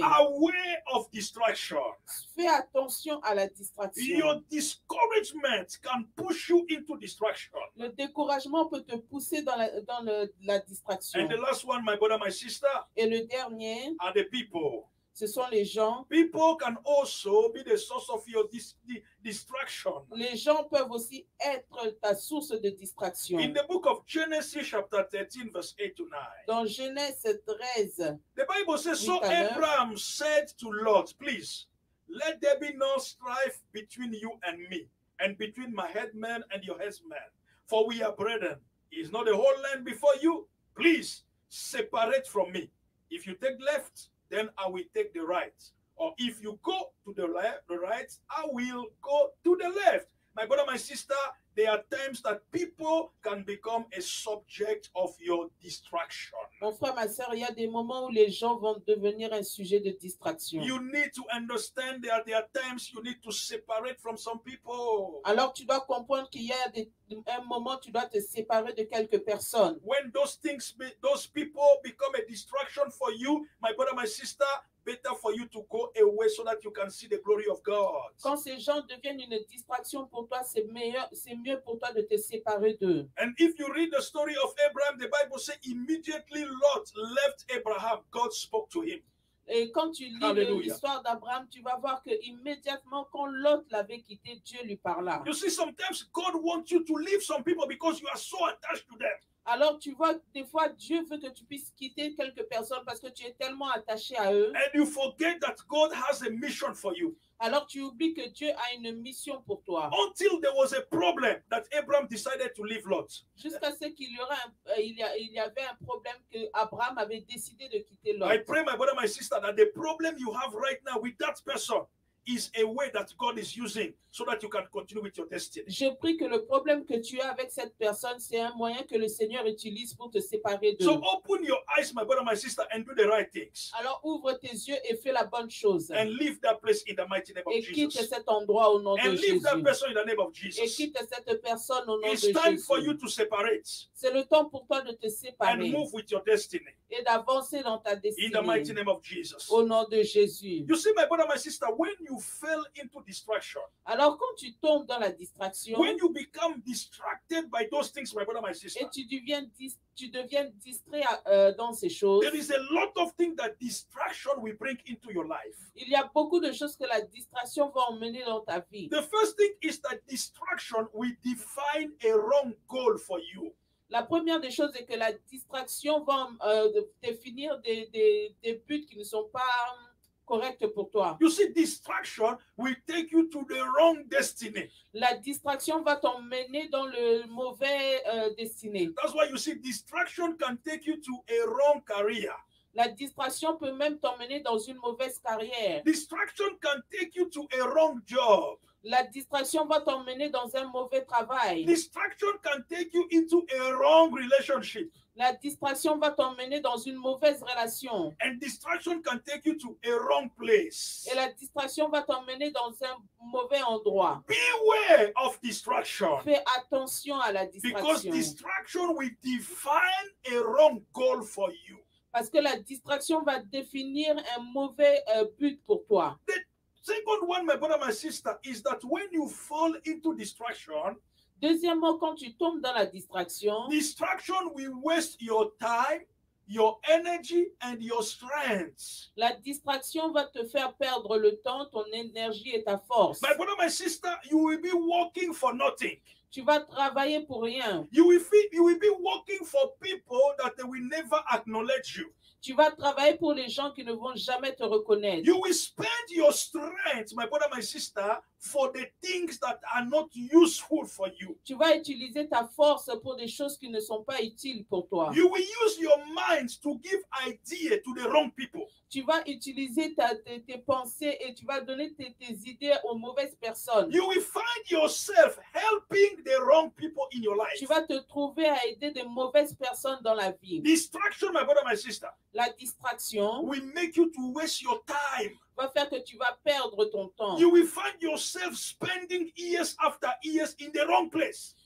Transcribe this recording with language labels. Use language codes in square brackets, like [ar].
[en] Be aware of distraction. [fr] Fais attention à la distraction. [en] Your discouragement can push you into distraction. [fr] Le découragement peut te pousser dans la distraction. [en] And the last one, my brother, my sister. [fr] Et le dernier. [en] Are the people. [fr] Ce sont les gens. [en] People can also be the source of your distraction. [fr] Les gens peuvent aussi être ta source de distraction. [en] In the book of Genesis, chapter 13, verse 8 to 9. [fr] Dans Genèse 13. [en] The Bible says, so Abraham said to Lot, please, let there be no strife between you and me, and between my headman and your headman, for we are brethren. is not the whole land before you. Please separate from me. If you take left, then I will take the right. Or if you go to the right, I will go to the left. My brother, my sister, there are times that people can become a subject of your distraction. [fr] Mon frère, ma sœur, il y a des moments où les gens vont devenir un sujet de distraction. [en] You need to understand there are times you need to separate from some people. [fr] Alors tu dois comprendre qu'il y a un moment tu dois te séparer de quelques personnes. [en] When those people become a distraction for you, my brother, my sister, better for you to go away so that you can see the glory of God. [fr] Quand ces gens deviennent une distraction pour toi, c'est mieux pour toi de te séparer d'eux. [en] And if you read the story of Abraham, the Bible says immediately Lot left Abraham, God spoke to him. [fr] Et quand tu lis l'histoire d'Abraham, tu vas voir que immédiatement quand Lot l'avait quitté, Dieu lui parla. [en] You see, sometimes God wants you to leave some people because you are so attached to them. [fr] Alors tu vois, des fois Dieu veut que tu puisses quitter quelques personnes parce que tu es tellement attaché à eux. [en] And you forget that God has a mission for you. [fr] Alors tu oublies que Dieu a une mission pour toi. [en] Until there was a problem that Abraham decided to leave Lot. [fr] Jusqu'à ce qu'il y aurait il y avait un problème que Abraham avait décidé de quitter Lot. [en] I pray, my brother, my sister, that the problem you have right now with that person is a way that God is using so that you can continue with your destiny. [fr] Je prie que le problème que tu as avec cette personne, c'est un moyen que le Seigneur utilise pour te séparer d'eux. [en] So open your eyes, my brother, my sister, and do the right things. [fr] Alors ouvre tes yeux et fais la bonne chose. [en] And leave that place in the mighty name of Jesus. [fr] Et quitte cet endroit au nom de Jésus. [en] And leave that person in the name of Jesus. [fr] Et quitte cette personne au nom de Jésus. [en] It's time for you to separate. [fr] C'est le temps pour toi de te séparer. [en] And move with your destiny. [fr] Et d'avancer dans ta destinée. [en] In the mighty name of Jesus. [fr] Au nom de Jésus. [en] You see, my brother, my sister, when you fell into distraction. [fr] Alors quand tu tombes dans la distraction. [en] When you become distracted by those things, my brother, my sister. [fr] Et tu deviens distrait dans ces choses. [en] There is a lot of things that distraction will bring into your life. [fr] Il y a beaucoup de choses que la distraction va emmener dans ta vie. [en] The first thing is that distraction will define a wrong goal for you. [fr] La première des choses est que la distraction va définir des buts qui ne sont pas correct pour toi. [en] You see, distraction will take you to the wrong destiny. [fr] La distraction va t'emmener dans le mauvais destiné. [en] That's why you see, distraction can take you to a wrong career. [fr] La distraction peut même t'emmener dans une mauvaise carrière. [en] Distraction can take you to a wrong job. [fr] La distraction va t'emmener dans un mauvais travail. [en] Distraction can take you into a wrong relationship. [fr] La distraction va t'emmener dans une mauvaise relation. [en] And distraction can take you to a wrong place. [fr] Et la distraction va t'emmener dans un mauvais endroit. [en] Beware of distraction. [fr] Fais attention à la distraction. [en] Because distraction will define a wrong goal for you. [fr] Parce que la distraction va définir un mauvais but pour toi. [en] Second one, my brother, my sister, is that when you fall into distraction, [fr] deuxièmement, quand tu tombes dans la distraction, [en] distraction will waste your time, your energy, and your strength. [fr] La distraction va te faire perdre le temps, ton énergie et ta force. [en] My brother, my sister, you will be working for nothing. [fr] Tu vas travailler pour rien. [en] You will be working for people that they will never acknowledge you. [fr] Tu vas travailler pour les gens qui ne vont jamais te reconnaître. [en] You will spend your strength, my brother, my sister, for the things that are not useful for you. [fr] Tu vas utiliser ta force pour des choses qui ne sont pas utiles pour toi. [en] You will use your mind to give ideas to the wrong people. [fr] Tu vas utiliser tes pensées et tu vas donner tes idées aux mauvaises personnes. [en] You will find yourself helping the wrong people in your life. [fr] Tu vas te trouver à aider des mauvaises personnes dans la vie. [en] Distraction, my brother, my sister. [fr] La distraction [en] will make you to waste your time. [fr] Va faire que tu vas perdre ton temps. [en] You will find yourself spending years after years in the wrong place.